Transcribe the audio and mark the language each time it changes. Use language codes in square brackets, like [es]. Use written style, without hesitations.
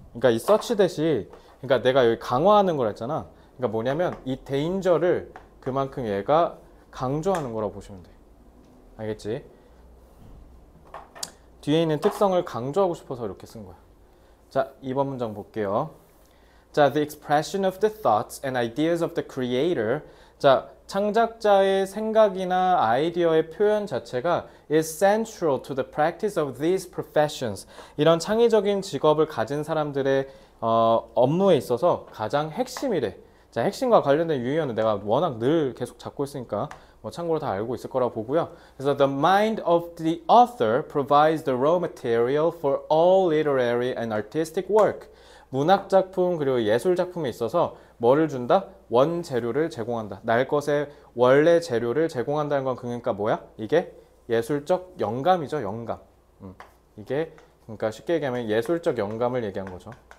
[ko] 그러니까 이 search that이 그러니까 내가 여기 강화하는 걸 했잖아. 그러니까 뭐냐면 이 danger를 그만큼 얘가 강조하는 거라고 보시면 돼. 알겠지? 뒤에 있는 특성을 강조하고 싶어서 이렇게 쓴 거야. 자, 2번 문장 볼게요. [en] 자, the expression of the thoughts and ideas of the creator. [ko] 자, 창작자의 생각이나 아이디어의 표현 자체가 [en] is central to the practice of these professions. [ko] 이런 창의적인 직업을 가진 사람들의 업무에 있어서 가장 핵심이래. 자, 핵심과 관련된 유의어는 내가 워낙 늘 계속 잡고 있으니까 뭐 참고로 다 알고 있을 거라고 보고요. 그래서 [en] the mind of the author provides the raw material for all literary and artistic work. [ko] 문학 작품 그리고 예술 작품에 있어서 뭐를 준다? 원재료를 제공한다. 날 것의 원래 재료를 제공한다는 건 그러니까 뭐야? 이게 예술적 영감이죠. 영감. 이게 그러니까 쉽게 얘기하면 예술적 영감을 얘기한 거죠.